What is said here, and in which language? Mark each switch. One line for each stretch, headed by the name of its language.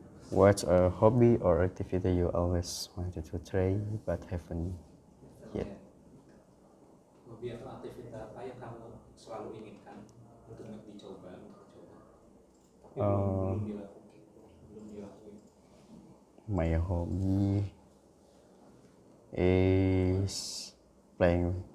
English: What's a hobby or activity you always wanted to try but haven't yet?
Indonesian: Biar itu aktivitas apa yang kamu selalu inginkan untuk dicoba, belum dilakukan.
English: My hobby is playing